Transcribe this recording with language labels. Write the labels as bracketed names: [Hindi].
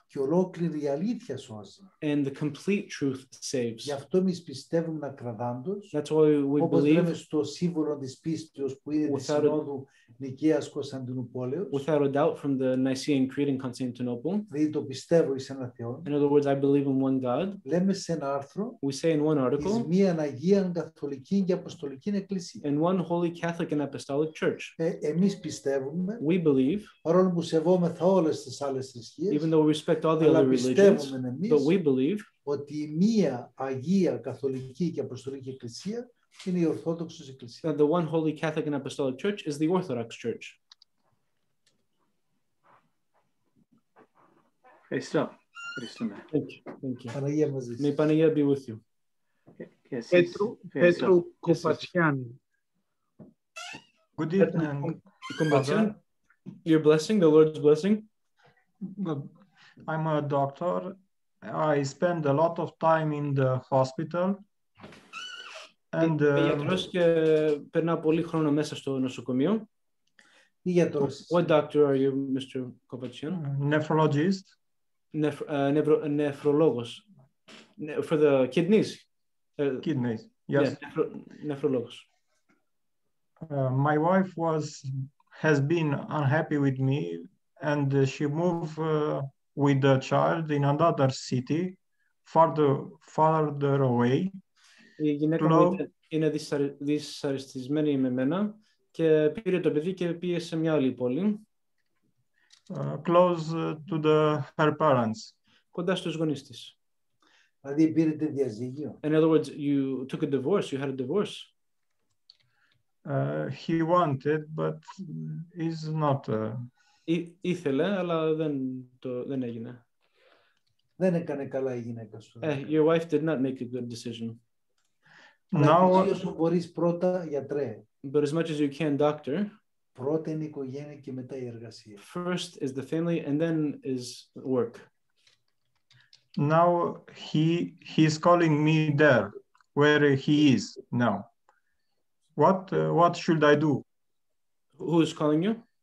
[Greek] Και ολόκληρη αλήθεια σώζει. [English] And the complete truth saves. [Greek] Γι' αυτό εμείς πιστεύουμε να κρατάντος. [English] That's why we believe. [Greek] Όπως λέμε στο σύμβολο της πίστης που είναι της Συνόδου Νικαίας Κωνσταντινούπολης. [English] Without a doubt from the Nicene Creed in Constantinople. [Greek] Δηλαδή το πιστεύω εις ένα Θεό. [English] In other words, I believe in one God. [Greek] Λέμε σε ένα άρθρο. [English] We say in one article. [Greek] Εις μίαν Αγίαν Καθολική και Αποστολική Εκκλησία. [English] In one Holy Catholic and Apostolic Church. [Greek] Εμείς πιστεύουμε. [English] We believe. [Greek] Παρόλο που σεβόμεθα όλες τις άλλες θρησκείες. [English] Even though we respect all the other religions. But we believe. [Greek] Ότι η μία Αγία Καθολική και Αποστολική Εκκλησία. Είναι η Ορθόδοξη Εκκλησία. [English] That the one Holy Catholic and Apostolic Church is the Orthodox Church. [Greek] Ευχαριστώ. Ευχαριστούμε. [English] Thank you. [Greek] Παναγία μαζί σας. Με Παναγία [English] be with you. [Greek] Πέτρου Κοπατσιάνη. [English] Good evening. Κοπατσιάνη. Your blessing, the Lord's blessing. I'm a doctor. I spend a lot of time in the hospital. And [Greek] γιατρός και περνά πολύ χρόνο μέσα στο νοσοκομείο. Γιατρός. [English] What doctor are you, Mr. Kopatsian? Nephrologist. [Greek] Νεφρολόγος. [English] For the kidneys. Kidneys. Yes. [Greek] Νεφρολόγος. [English] My wife has been unhappy with me, and she moved with the child in another city, farther away. [Greek] Η γυναίκα μου είναι δυσαρεστημένη με μένα και πήρε το παιδί και πήγε σε μια άλλη πόλη. [English] Close to her parents. [Greek] Κοντά στους γονείς της. Δηλαδή πήρε τη διαζύγιο. [English] In other words, you took a divorce, you had a divorce. He wanted, but is not. [Greek] Ήθελε, αλλά δεν έγινε. Δεν έκανε καλά η γυναίκα σου. [English] Your wife did not make a good decision. But as much as you can, doctor. [Greek] Πρώτα είναι η οικογένεια και μετά η εργασία. [English] First is the family, and then is work. Now he's calling me there, where he is now. What should I do? Who is calling you?